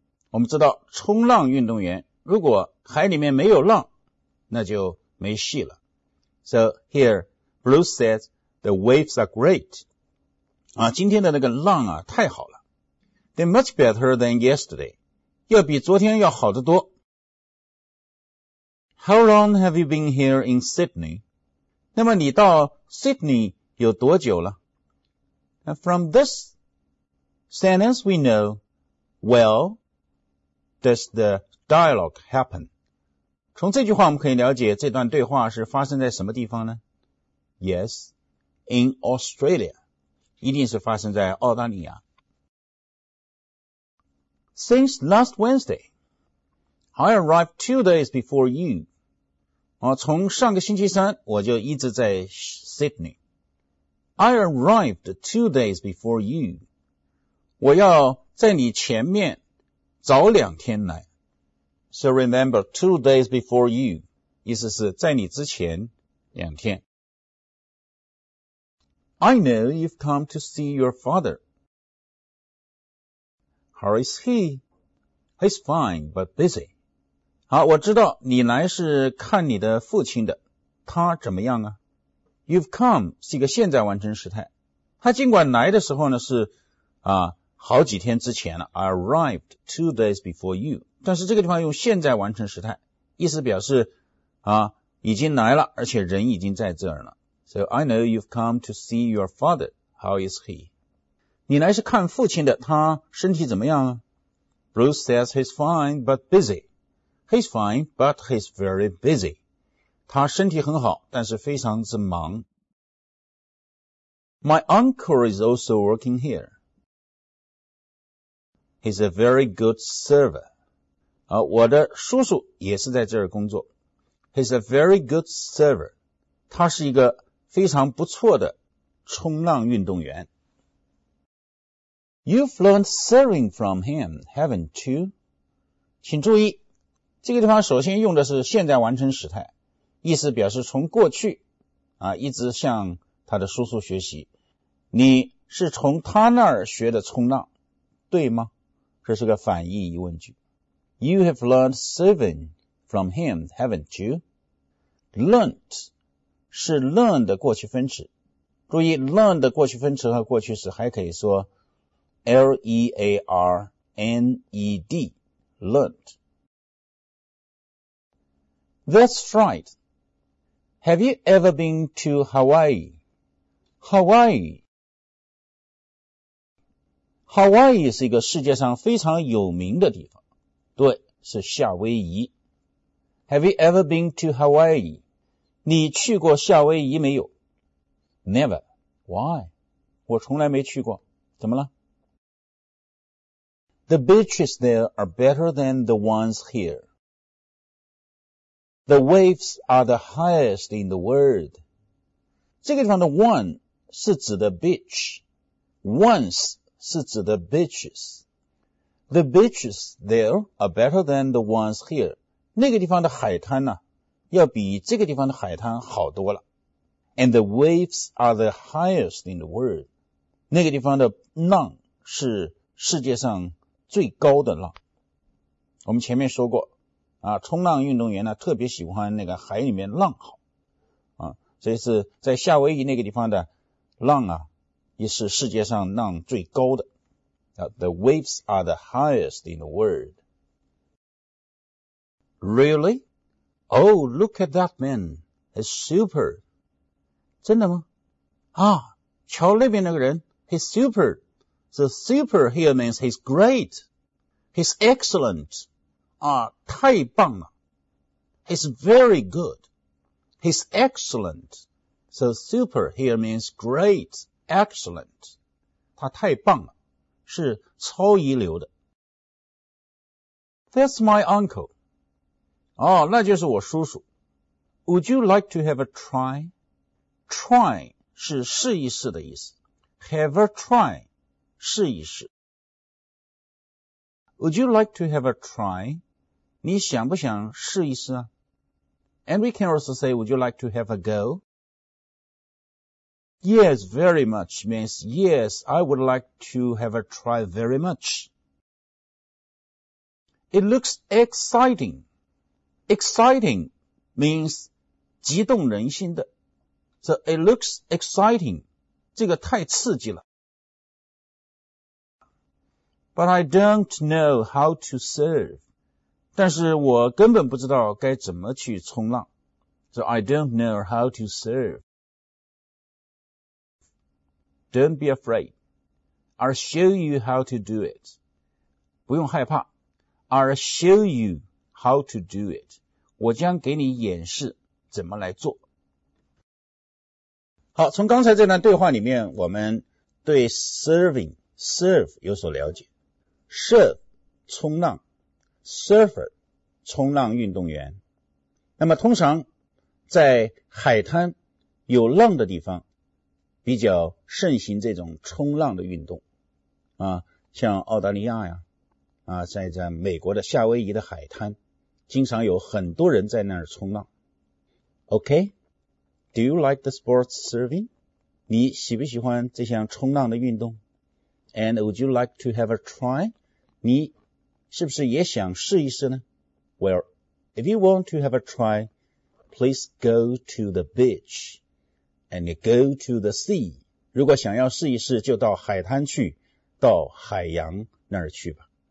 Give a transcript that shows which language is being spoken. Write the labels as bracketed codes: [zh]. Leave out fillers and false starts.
[zh] 我们知道冲浪运动员，如果海里面没有浪，那就没戏了。 [en] So here, Bruce says, the waves are great. [zh] 啊，今天的那个浪啊，太好了。 [en] They're much better than yesterday. [zh] 要比昨天要好得多。 [en] How long have you been here in Sydney? [zh] 那么你到 Sydney 有多久了？ [en] And from this sentence we know, well, does the dialogue happen? [zh] 从这句话我们可以了解这段对话是发生在什么地方呢？ [en] Yes, in Australia. [zh] 一定是发生在澳大利亚。 [en] Since last Wednesday, I arrived 2 days before you. [zh] 啊，从上个星期三我就一直在 Sydney. [en] I arrived 2 days before you. [zh] 我要在你前面早两天来。 [en] So remember 2 days before you, [zh] 意思是在你之前两天。 [en] I know you've come to see your father. How is he? He's fine, but busy. [zh] 好，我知道你来是看你的父亲的。他怎么样啊？ [en] You've come [zh] 是一个现在完成时态。他尽管来的时候呢是啊好几天之前了。 [en] I arrived 2 days before you. [zh] 但是这个地方用现在完成时态，意思表示啊已经来了，而且人已经在这儿了。 [en] So I know you've come to see your father. How is he? [zh] 你来是看父亲的，他身体怎么样啊？ [en] Bruce says he's fine but busy. He's fine but he's very busy. [zh] 他身体很好，但是非常之忙。 [en] My uncle is also working here. He's a very good server. [zh] 啊，我的叔叔也是在这儿工作。 [en] He's a very good server. [zh] 他是一个非常不错的冲浪运动员。 [en] You've learned surfing from him, haven't you? [zh] 请注意，这个地方首先用的是现在完成时态，意思表示从过去啊一直向他的叔叔学习。你是从他那儿学的冲浪，对吗？这是个反义疑问句。 [en] You have learned surfing from him, haven't you? Learned [zh] 是 learn 的过去分词。注意 ，learn 的过去分词和过去时还可以说。 [en] L-E-A-R-N-E-D, learned. That's right. Have you ever been to Hawaii? Hawaii. [zh] Hawaii 是一个世界上非常有名的地方。对，是夏威夷。 [en] Have you ever been to Hawaii? [zh] 你去过夏威夷没有？ [en] Never. Why? [zh] 我从来没去过。怎么了？ [en] The beaches there are better than the ones here. The waves are the highest in the world. [zh] 这个地方的 one 是指的 beach. [en] Once 是指的 beaches. The beaches there are better than the ones here. [zh] 那个地方的海滩呢、啊、要比这个地方的海滩好多了。 [en] And the waves are the highest in the world. [zh] 那个地方的浪是世界上最高的浪。我们前面说过啊，冲浪运动员呢特别喜欢那个海里面浪好啊，这是在夏威夷那个地方的浪啊，也是世界上浪最高的啊。 [en] The waves are the highest in the world. Really? Oh, look at that man. He's super. [zh] 真的吗？啊，瞧那边那个人 ， [en] He's super. The super here means he's great. He's excellent. 啊， [zh] 太棒了。 [en] He's very good. He's excellent. So super here means great, excellent. [zh] 他太棒了，是超一流的。 [en] That's my uncle. [zh] 哦，那就是我叔叔。 [en] Would you like to have a try? [zh] Try 是试一试的意思。 [en] Have a try, [zh] 试一试。 [en] Would you like to have a try? [zh] 你想不想试一试啊？ [en] And we can also say, would you like to have a go? Yes, very much means yes, I would like to have a try very much. It looks exciting. Exciting means [zh] 激动人心的。 [en] So it looks exciting. [zh] 这个太刺激了。 [en] But I don't know how to serve. [zh] 但是我根本不知道该怎么去冲浪。 [en] So I don't know how to serve. Don't be afraid. I'll show you how to do it. [zh] 不用害怕。 [en] I'll show you how to do it. [zh] 我将给你演示怎么来做。好，从刚才这段对话里面，我们对 serving, serve 有所了解。 serve, 冲浪。Surfer, 冲浪运动员。那么通常在海滩有浪的地方比较盛行这种冲浪的运动。啊，像澳大利亚呀，啊，在美国的夏威夷的海滩经常有很多人在那儿冲浪。 [en] Okay, do you like the sports surfing? [zh] 你喜不喜欢这项冲浪的运动？ [en] And would you like to have a try? [zh] 你是不是也想试一试呢？ [en] Well, if you want to have a try, please go to the beach and go to the sea. [zh] 如果想要试一试，就到海滩去，到海洋那儿去吧。